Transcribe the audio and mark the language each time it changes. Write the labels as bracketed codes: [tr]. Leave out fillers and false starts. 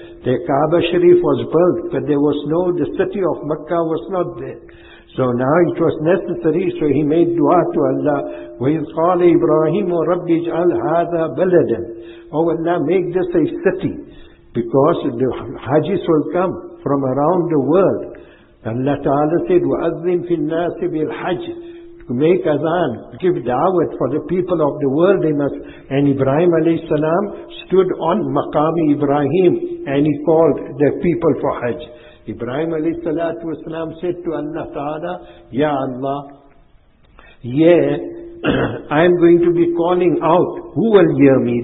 [en] The Kaaba Sharif was built, but there was no, the city of Makkah was not there. So now it was necessary, so he made dua to Allah. [ar] وَإِذْ قَالَ إِبْرَاهِيمُ رَبِّ اجْعَلْ هَذَا بَلَدًا. [en] Oh Allah, make this a city. Because the hajis will come from around the world. Allah Ta'ala said, [ar] وَأَذِّنْ فِي النَّاسِ بِالْحَجِ. [en] To make azan, give da'wat for the people of the world, they must. And Ibrahim alayhi salam stood on Maqami Ibrahim and he called the people for hajj. Ibrahim alayhi salatu wasalam said to Allah Ta'ala, Ya Allah, yeah, I'm going to be calling out. Who will hear me?